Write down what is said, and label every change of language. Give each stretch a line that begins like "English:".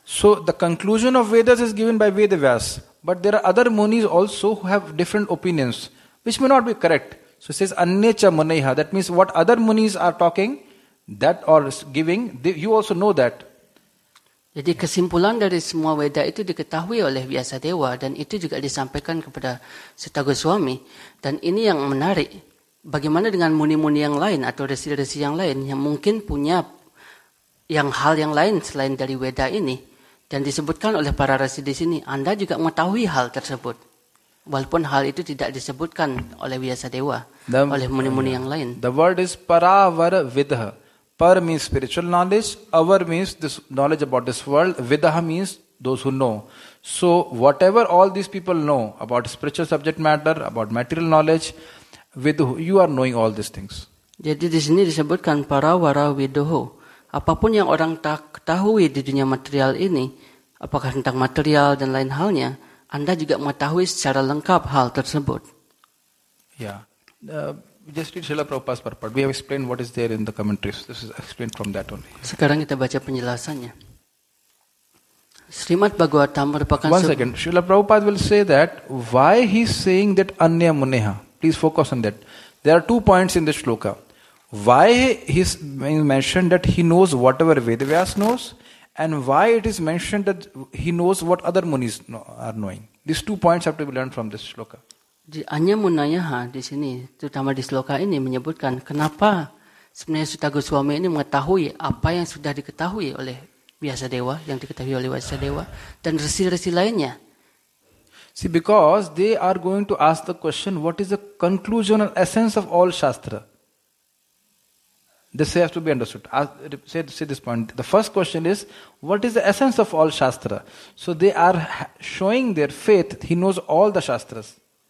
English: So the conclusion of Vedas is given by Vedavyas, but there are other munis also who have different opinions, which may not be correct. So it says Annecha Munaiha. That means what other munis are talking, that or giving, you also know that.
Indonesian: Jadi kesimpulan dari semua Veda itu diketahui oleh Vyasadeva dan itu juga disampaikan kepada Suta Goswami. Dan ini yang menarik. Bagaimana dengan muni-muni yang lain atau resi-resi yang lain yang mungkin punya yang hal yang lain selain dari Veda ini dan disebutkan oleh para resi di sini, Anda juga mengetahui hal tersebut walaupun hal itu tidak disebutkan oleh Vyasadeva oleh muni-muni yang lain.
English: The word is paravara vidha. Par means spiritual knowledge, avar means this knowledge about this world, vidha means those who know. So whatever all these people know about spiritual subject matter, about material knowledge, Vidhu, you are knowing all these things.
Indonesian: Jadi di sini disebutkan parawara vidhu. Apapun yang orang tak ketahui di dunia material ini, apakah tentang material dan lain halnya, Anda juga mengetahui secara lengkap hal tersebut.
English: Yeah. Just read Srila Prabhupada's purport. We have explained what is there in the commentaries. This is explained from that only.
Indonesian: Sekarang kita baca penjelasannya. Srimad Bhagavatam merupakan
English: one second. Srila Prabhupada will say that why he is saying that Anya Muneha. Please focus on that. There are two points in the shloka. Why he is mentioned that he knows whatever Vedavyas knows, and why it is mentioned that he knows what other munis are knowing. These two points have to be learned from this shloka.
Indonesian: Di Anya Munayaha di sini, terutama di shloka ini menyebutkan kenapa sebenarnya Suta Goswami ini mengetahui apa yang sudah diketahui oleh Vyasadeva, yang diketahui oleh Vyasadeva dan resi-resi lainnya.
English: See, because they are going to ask the question, what is the conclusion and essence of all Shastra? This has to be understood. Say this point. The first question is, what is the essence of all Shastra? So they are showing their faith, he knows all the Shastras.